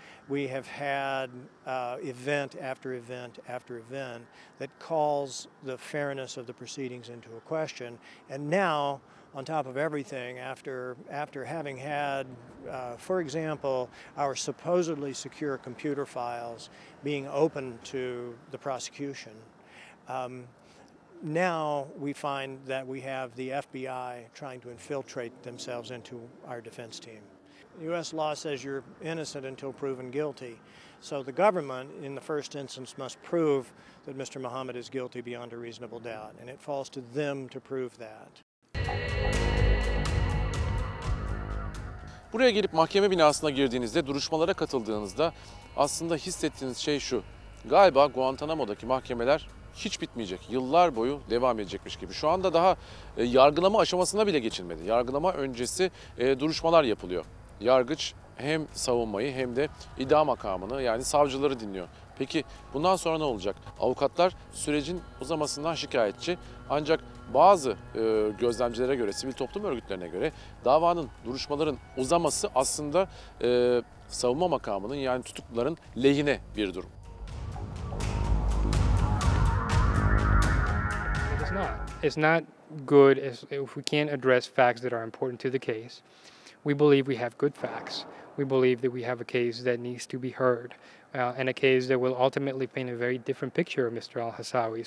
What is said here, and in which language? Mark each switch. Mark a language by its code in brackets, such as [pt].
[en] We have had event after event after event that calls the fairness of the proceedings into a question, and now on top of everything, after having had, for example, our supposedly secure computer files being open to the prosecution, now we find that we have the FBI trying to infiltrate themselves into our defense team. U.S. law says you're innocent until proven guilty. So the government, in the first instance, must prove that Mr. Muhammad is guilty beyond a reasonable doubt. And it falls to them to prove that. [tr] Buraya gelip mahkeme binasına girdiğinizde, duruşmalara katıldığınızda aslında hissettiğiniz şey şu. Galiba Guantanamo'daki mahkemeler hiç bitmeyecek, yıllar boyu devam edecekmiş gibi. Şu anda daha yargılama aşamasına bile geçilmedi. Yargılama öncesi duruşmalar yapılıyor. Yargıç hem savunmayı hem de iddia makamını, yani savcıları dinliyor. Peki bundan sonra ne olacak? Avukatlar sürecin uzamasından şikayetçi. Ancak bazı gözlemcilere göre, sivil toplum örgütlerine göre davanın, duruşmaların uzaması aslında savunma makamının, yani tutukluların lehine bir durum. [en] It's not good if we can't address facts that are important to the case. We believe we have good facts. We believe that we have a case that needs to be heard. And a case that will ultimately paint a very different picture of Mr. al-Hassawi.